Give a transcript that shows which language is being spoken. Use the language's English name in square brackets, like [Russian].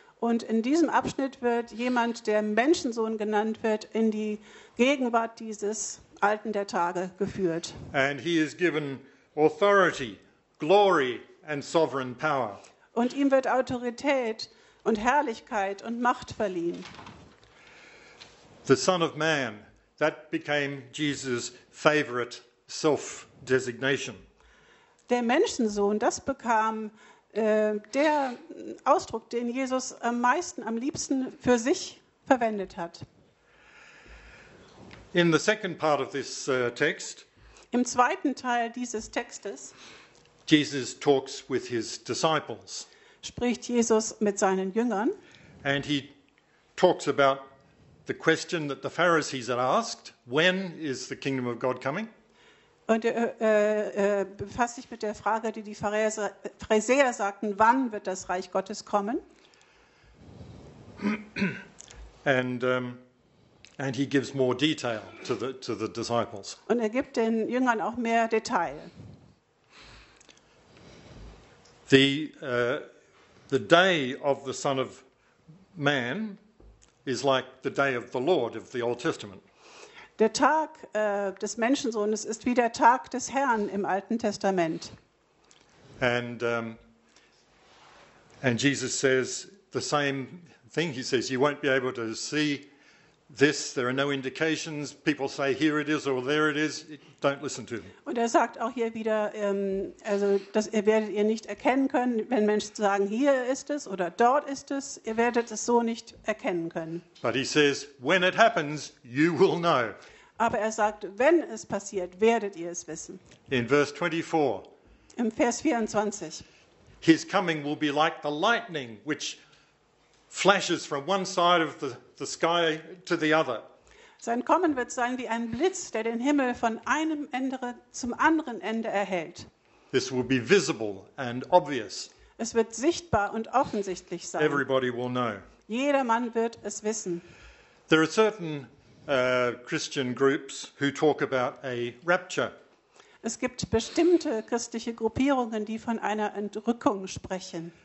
[German] Und in diesem Abschnitt wird jemand, der Menschensohn genannt wird, in die Gegenwart dieses Alten der Tage geführt. [English] And he is given authority, glory and sovereign power. [German] Und ihm wird Autorität und Herrlichkeit und Macht verliehen. [English] The Son of Man, that became Jesus' favorite self-designation. [German] Der Menschensohn, das bekam der Ausdruck, den Jesus am meisten, am liebsten für sich verwendet hat. [English] In the second part of this text, [German] im zweiten Teil dieses Textes, [English] Jesus talks with his disciples. [German] Spricht Jesus mit seinen Jüngern. [English] And he talks about the question that the Pharisees had asked, when is the kingdom of God coming? [German] Und er befasst sich mit der Frage, die die Pharisäer sagten, wann wird das Reich Gottes kommen? [English] And he gives more detail to the disciples. [German] Und er gibt den Jüngern auch mehr Detail. [English] The day of the Son of Man is like the day of the Lord of the Old Testament. [German] Der Tag des Menschensohnes ist wie der Tag des Herrn im Alten Testament. [English] And Jesus says the same thing. He says you won't be able to see this. There are no indications. People say here it is or there it is. Don't listen to them. [German] Und er sagt auch hier wieder, das werdet ihr nicht erkennen können, wenn Menschen sagen, hier ist es oder dort ist es. Ihr werdet es so nicht erkennen können. [English] But he says, when it happens, you will know. [German] Aber er sagt, wenn es passiert, werdet ihr es wissen. [English] In verse 24. [German] Im Vers 24. [English] His coming will be like the lightning, which flashes from one side of the sky to the other. [German] Sein Kommen wird sein wie ein Blitz, der den Himmel von einem Ende zum anderen Ende erhält. [English] This will be visible and obvious. [German] Es wird sichtbar und offensichtlich sein. [English] Everybody will know. [German] Jedermann wird es wissen. [English] There are certain Christian groups who talk about a rapture. [German] Es gibt bestimmte christliche Gruppierungen, die von einer Entrückung sprechen.